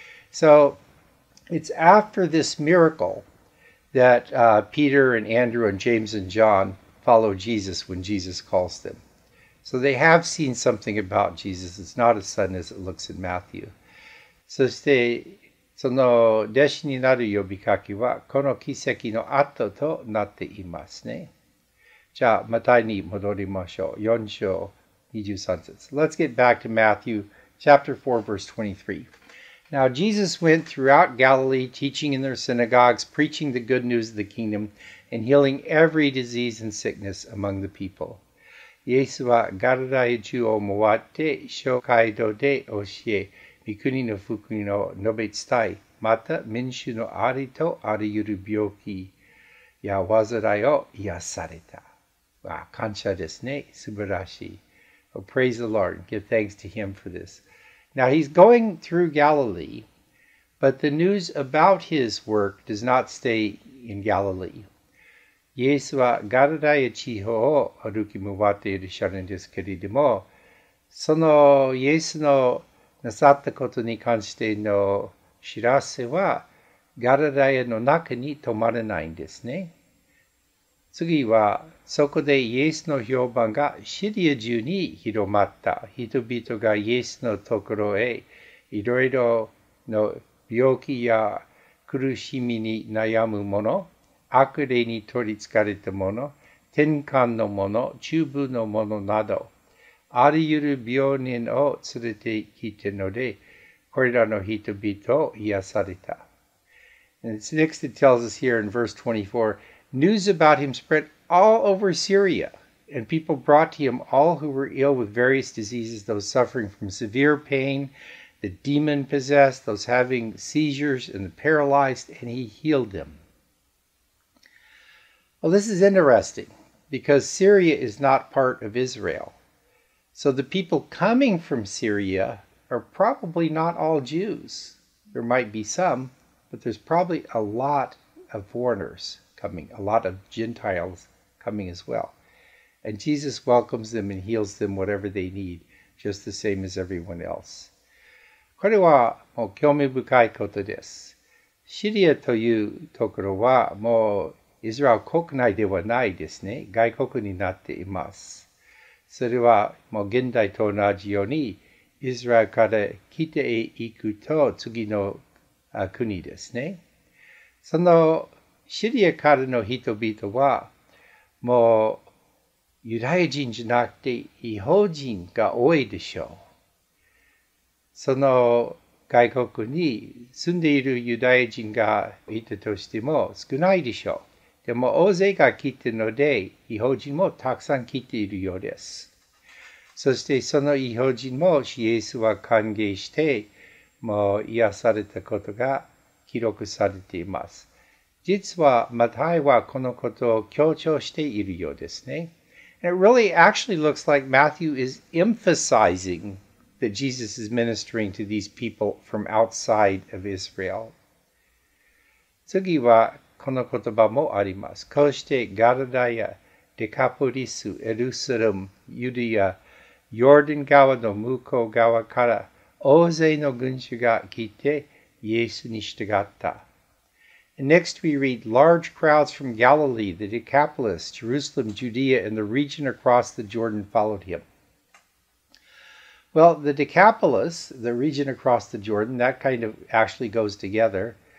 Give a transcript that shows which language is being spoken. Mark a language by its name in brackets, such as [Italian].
[English] So, it's after this miracle that Peter and Andrew and James and John follow Jesus when Jesus calls them. So they have seen something about Jesus. It's not as sudden as it looks in Matthew. [Japanese] そして、その弟子になる呼びかけは、この奇跡の後となっていますね。じゃあ、マタイに戻りましょう。4章23節。 [English] Let's get back to Matthew chapter 4, verse 23. Now Jesus went throughout Galilee, teaching in their synagogues, preaching the good news of the kingdom, and healing every disease and sickness among the people. [Japanese] イエスはガルダヤ中を回って、諸街道で教え、御国の福音を述べ伝え、また民衆のありとあらゆる病気や患いを癒された。わあ、感謝ですね。素晴らしい。 [English] Oh, praise the Lord. Give thanks to him for this. Now he's going through Galilee, but the news about his work does not stay in Galilee. [Japanese] イエスはガルダヤ地方を歩き回っていらっしゃるんですけれども、そのイエスのなさったことに関しての知らせは、ガルダヤの中に止まらないんですね。次は、そこでイエスの評判がシリア中に広まった。人々がイエスのところへいろいろの病気や苦しみに悩む者、悪霊に取りつかれた者、転換の者、中風の者など、あらゆる病人を連れてきてので、これらの人々を癒された。 [English] And next it tells us here in verse 24, news about him spread all over Syria, and people brought to him all who were ill with various diseases, those suffering from severe pain, the demon possessed, those having seizures, and the paralyzed, and he healed them. Well, this is interesting because Syria is not part of Israel. So the people coming from Syria are probably not all Jews. There might be some, but there's probably a lot of foreigners coming, a lot of Gentiles coming as well. And Jesus welcomes them and heals them whatever they need, just the same as everyone else. [Japanese] これはもう興味深いことです。シリアというところはもうイスラエル国内ではないですね。外国になっています。それはもう現代と同じように、イスラエルから来ていくと次の国ですね。そのシリアからの人々は、もうユダヤ人じゃなくて違法人が多いでしょう。その外国に住んでいるユダヤ人がいたとしても少ないでしょう。でも大勢が来ているので、異邦人もたくさん来ているようです。そしてその異邦人もイエスは歓迎して、もう癒されたことが記録されています。実はマタイはこのことを強調しているようですね。 [English] And it really actually looks like Matthew is emphasizing that Jesus is ministering to these people from outside of Israel. [Japanese] 次はこの言葉もあります。こうしてガラダやデカポリス、エルサレム、ユダヤ、ヨルダン川の向こう側から大勢の群衆が来てイエスに従った。 [English] And next we read, large crowds from Galilee, the Decapolis, Jerusalem, Judea, and the region across the Jordan followed him. Well, the Decapolis, the region across the Jordan, that kind of actually goes together.